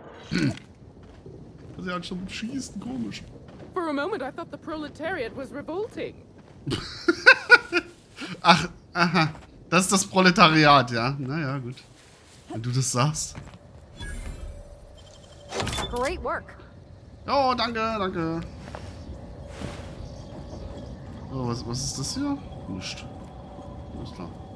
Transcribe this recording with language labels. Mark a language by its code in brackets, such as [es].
[de] Sie hat schon schießen, komisch. [en] For a moment I thought the proletariat was revolting. [de] Ach, aha. Das ist das Proletariat, ja. Naja, gut. Wenn du das sagst. [en] Great work. [de] Oh, danke, danke. So, was ist das hier? Nicht. Alles klar.